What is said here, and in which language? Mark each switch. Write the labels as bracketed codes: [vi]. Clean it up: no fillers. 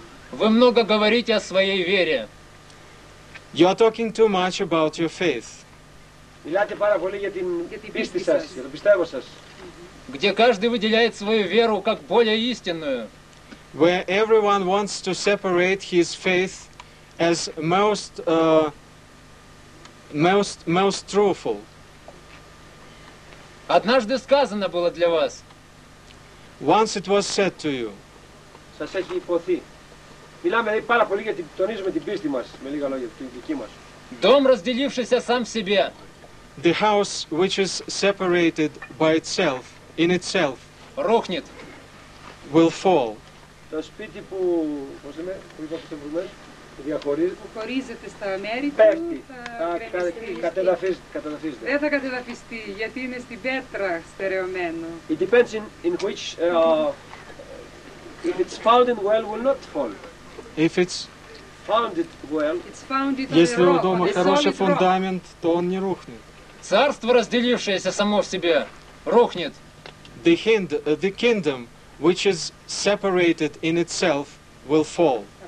[ru] Вы много говорите о своей вере. [en] You are talking too much about your faith. [el] Μιλάτε πάρα πολύ για την πίστη σας, για το πιστεύω σας. [ru] Где каждый выделяет свою веру как более истинную. [en] Where everyone wants to separate his faith as most truthful. [ru] Однажды сказано было для вас. [en] Once it was said to you. [el] Σας έχει υποθεί. Μιλάμε πάρα πολύ γιατί τονίζουμε την πίστη μας, με λίγα λόγια, την δική μας. [ru] Дом, разделившийся сам в себе. [en] The house which is separated by itself, in itself, [ru] рухнет. [en] Will fall. [el] Το σπίτι που, πώς είμαι, που είπα πριν, διαχωρίζεται. Χωρίζεται στα μέρη του. Πέφτει. Κατεδαφίζεται. Δεν θα κατεδαφιστεί, γιατί είναι στην πέτρα στερεωμένο. [en] It depends in which, if it's found in well, will not fall. If it's found it well, it's found it [ru] если у дома хороший фундамент, то он не рухнет. Царство, разделившееся само в себе, рухнет. [en] The kingdom, which is separated in itself, will fall.